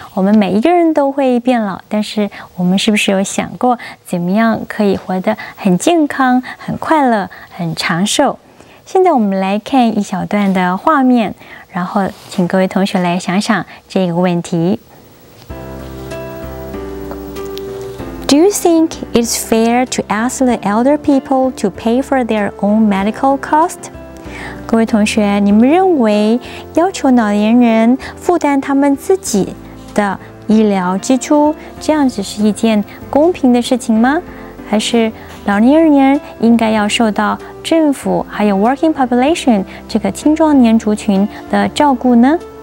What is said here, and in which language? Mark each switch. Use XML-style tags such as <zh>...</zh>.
<zh>我们每一个人都会变老，但是我们是不是有想过怎么样可以活得很健康、很快乐、很长寿？现在我们来看一小段的画面，然后请各位同学来想想这个问题。</zh> <en>Do you think it's fair to ask the elder people to pay for their own medical cost?</en> <zh>各位同学，你们认为要求老年人负担他们自己的医疗支出，这样子是一件公平的事情吗？还是老年人应该要受到政府还有</zh> <en>working population</en> <zh>这个青壮年族群的照顾呢？</zh>